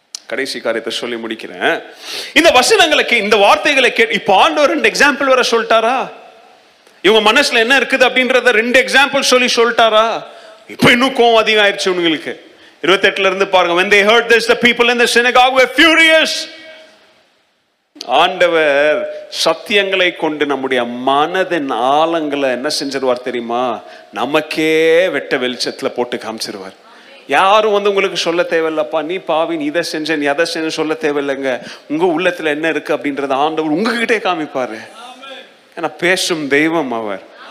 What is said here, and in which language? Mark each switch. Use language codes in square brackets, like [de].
[ta] கடைசி காரியத்தை சொல்லி முடிக்கிறேன். இந்த வசனங்களுக்கு, இந்த வார்த்தைகளை கேட்டு, இப்ப ஆண்டவர் ரெண்டு எக்ஸாம்பிள் வர சொல்லிட்டாரா? இவங்க மனசுல என்ன இருக்குது அப்படின்றத ரெண்டு எக்ஸாம்பிள் சொல்லி சொல்லிட்டாரா? இப்ப இன்னும் கோவம் அதிகமாயிருச்சு உங்களுக்கு. 28ல இருந்து பாருங்க. [en] When they heard this, the people in the synagogue were furious. [ta] ஆண்டவர் சத்தியங்களை கொண்டு நம்முடைய மனதின் ஆழங்களை என்ன செஞ்சிருவார் தெரியுமா? நமக்கே வெட்ட வெளிச்சத்துல போட்டு காமிச்சிருவார். யாரும் வந்து உங்களுக்கு சொல்ல தேவையில்லப்பா, நீ பாவி, நீ இதை செஞ்ச, நீ அதை செஞ்ச சொல்ல தேவையில்லைங்க. உங்க உள்ளத்துல என்ன இருக்கு அப்படின்றத ஆண்டவர் உங்ககிட்டே காமிப்பாரு. ஏன்னா பேசும் தெய்வம் அவர்.